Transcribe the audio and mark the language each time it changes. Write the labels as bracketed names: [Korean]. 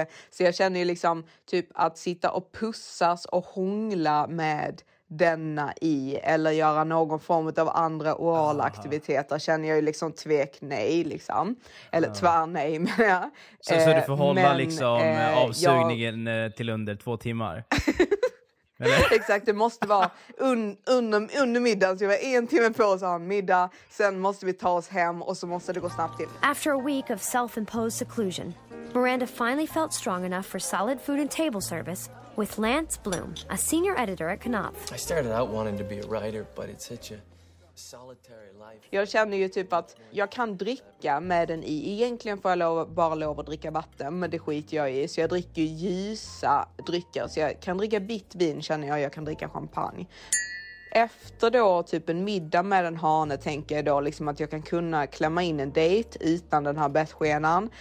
[Swedish] Så jag känner ju liksom typ att sitta och pussas och hångla med denna i eller göra någon form av andra orala aktiviteter känner jag ju liksom tvek nej liksom, eller tvär nej men, så du får hålla avsugningen till under 2 timmar. Exakt, det måste vara under middagen. Så vi har 1 timme på oss att ha en middag. Sen måste vi ta oss hem och så måste det gå snabbt till. [English] After a week of self-imposed seclusion, Miranda finally felt strong enough for solid food and table service with Lance Bloom, a senior editor at Knopf. I started out wanting to be a writer, but it's such a solitary life. [Swedish] Jag känner ju typ att jag kan dricka med den i. Egentligen får jag bara lov att dricka vatten, men det skiter jag i. Så jag dricker ljusa drycker. Så jag kan dricka vitt vin, känner jag. Jag kan dricka champagne. Efter då typ en middag med en hane tänker jag då liksom att jag kan kunna klämma in en dejt utan den här bettskenan.